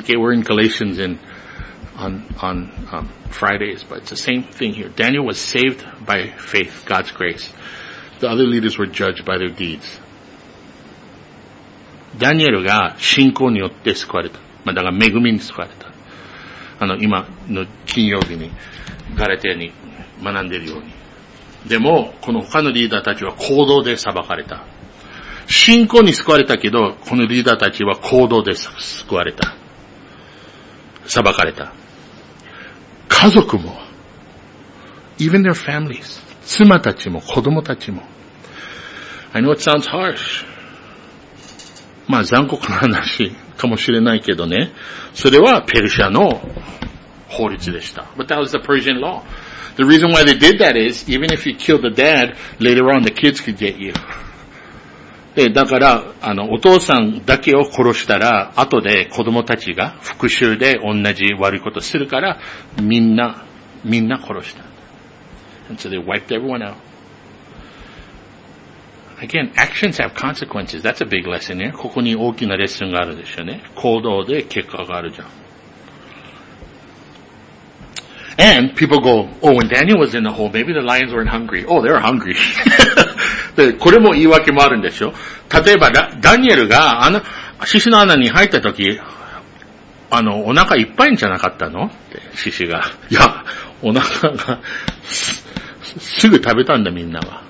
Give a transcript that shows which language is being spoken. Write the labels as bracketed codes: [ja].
[en] Okay, we're in Galatians on Fridays, but it's the same thing here. Daniel was saved by faith, God's grace. The other leaders were judged by their deeds. [ja] ダニエルが信仰によって救われた。まあ、だから恵みに救われた。今の金曜日にガラテヤに学んでいるように。でも、この他のリーダーたちは行動で裁かれた。信仰に救われたけど、このリーダーたちは行動で救われた。裁かれた。家族も、 [en] even their families, [ja] 妻たちも子供たちも。 [en] I know it sounds harsh. [ja] まあ残酷な話かもしれないけどね。それはペルシャの法律でした。 [en] But that was the Persian law. The reason why they did that is, even if you kill the dad, later on the kids could get you. [ja] で、だから、お父さんだけを殺したら、後で子供たちが復讐で同じ悪いことするから、みんな殺した。 [en] And so they wiped everyone out. Again, actions have consequences. That's a big lesson here. [ja] ここに大きなレッスンがあるでしょうね。行動で結果があるじゃん。 [en] And people go, oh, when Daniel was in the hole, maybe the lions weren't hungry. Oh, they're hungry. [ja] で、これも言い訳もあるんでしょ。例えば、ダニエルが獅子の穴に入ったとき、お腹いっぱいんじゃなかったの？って、獅子が。いや、お腹が、すぐ食べたんだみんなは。